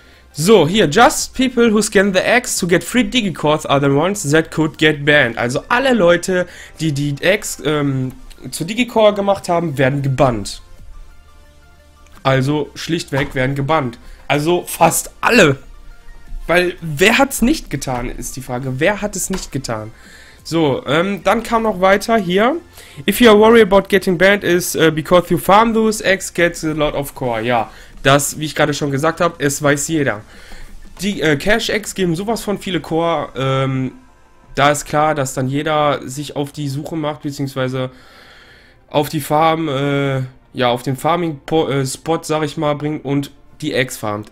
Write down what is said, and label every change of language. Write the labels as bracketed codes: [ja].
[en] So, hier, just people who scan the eggs to get free Digicores are the ones that could get banned. [de] Also alle Leute, die die Eggs zu Digicore gemacht haben, werden gebannt. Also schlichtweg werden gebannt. Also fast alle. Weil wer hat's nicht getan, ist die Frage. Wer hat es nicht getan? So, dann kam noch weiter hier. [en] If you are worried about getting banned, is because you farm those eggs, gets a lot of core. [de] Ja, das, wie ich gerade schon gesagt habe, es weiß jeder. Die Cash Eggs geben sowas von viele Core. Da ist klar, dass dann jeder sich auf die Suche macht, beziehungsweise auf die Farm, ja, auf den Farming-Spot, sag ich mal, bringt und die Eggs farmt.